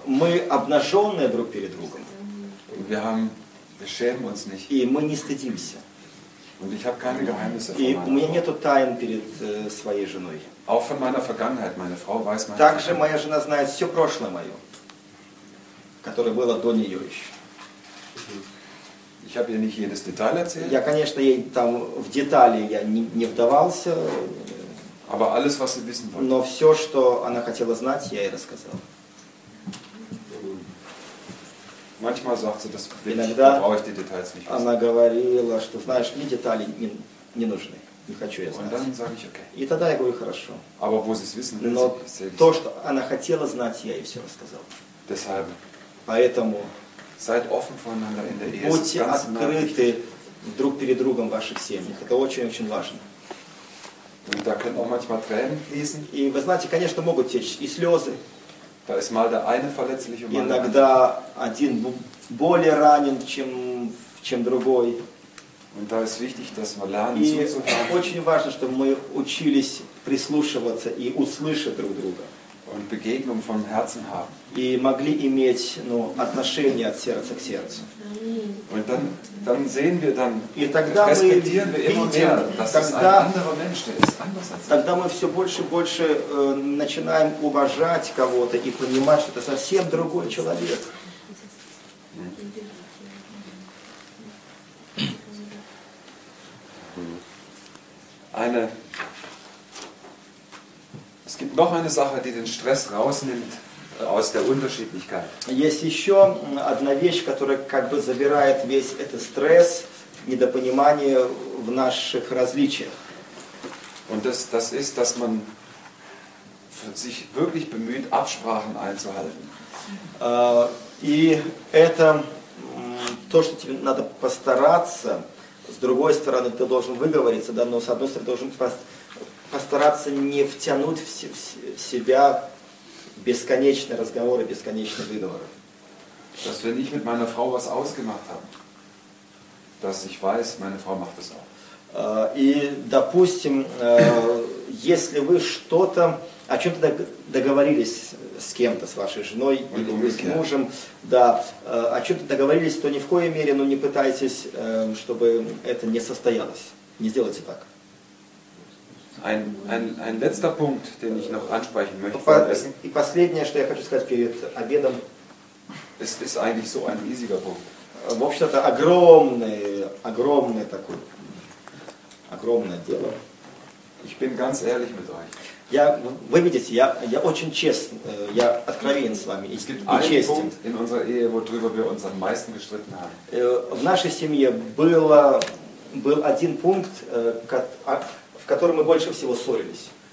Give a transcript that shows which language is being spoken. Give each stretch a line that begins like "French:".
Russian: Мы обнажённые друг перед другом.
German: Wir haben, wir schämen uns nicht.
Russian: И мы не стыдимся.
German: Und ich habe keine Geheimnisse
Russian: И у меня нету тайн перед своей женой.
German: Auch von meiner Vergangenheit, meine Frau weiß meine
Russian: Также моя жена знает всё прошлое моё, которое было до неё ещё.
German: Ich habe ihr nicht jedes Detail erzählt.
Russian: Я, конечно, ей там в детали я не вдавался.
German: Aber alles, was sie wissen wollte.
Russian: Но всё, что она хотела знать, я ей рассказал.
German: Manchmal sagt sie, das brauche ich die Details nicht.
Russian: Она говорила, что знаешь, мне детали не нужны, не хочу я знать.
German: Und dann sage ich okay.
Russian: И тогда я говорю хорошо.
German: Aber wo sie es wissen will,
Russian: Но то, что она хотела знать, я ей всё рассказал.
German: Deshalb.
Russian: Поэтому.
German: Seid offen voneinander in der Ehe.
Russian: Будьте открыты друг перед другом в ваших семьях. Это очень-очень важно.
German: Und da können auch manchmal Tränen fließen.
Russian: И вы знаете, конечно, могут течь и слезы.
German: Da ist mal der eine verletzlich und
Russian: иногда один более ранен, чем другой.
German: Und da ist wichtig, dass wir lernen,
Russian: очень важно, чтобы мы учились прислушиваться и услышать друг друга.
German: Und Begegnung vom Herzen haben.
Russian: И могли иметь ну, отношения от сердца к сердцу.
German: Und dann sehen wir dann,
Russian: и тогда мы видим, тогда мы все больше и больше начинаем уважать кого-то и понимать, что это совсем другой человек.
German: Eine Es gibt noch eine Sache, die den Stress rausnimmt aus der Unterschiedlichkeit.
Russian: Есть ещё одна вещь, которая как бы забирает весь этот стресс, недопонимание в наших различиях.
German: Und das ist, dass man sich wirklich bemüht, Absprachen einzuhalten.
Russian: И это то, что тебе надо постараться. С другой стороны, ты должен выговориться, да, но с одной стороны, должен постараться не втянуть в себя бесконечные разговоры, бесконечные выговоры.
German: Dass wenn ich mit meiner Frau was ausgemacht habe, dass ich weiß, meine Frau macht das auch.
Russian: И, допустим, если вы что-то, о чем-то договорились с кем-то, с вашей женой или с мужем, да, о чем-то договорились, то ни в коей мере, ну, не пытайтесь, чтобы это не состоялось. Не сделайте так.
German: Ein letzter Punkt, den ich noch ansprechen möchte.
Russian: И последнее, что я хочу сказать перед обедом.
German: Es ist eigentlich so ein riesiger Punkt.
Russian: В общем-то, огромное дело.
German: Ich bin ganz ehrlich mit euch.
Russian: Вы видите, я очень честен, я откровенен с вами.
German: Es gibt einen Punkt in unserer Ehe, worüber wir uns am meisten gestritten haben.
Russian: В нашей семье был один пункт, в котором мы больше всего ссорились.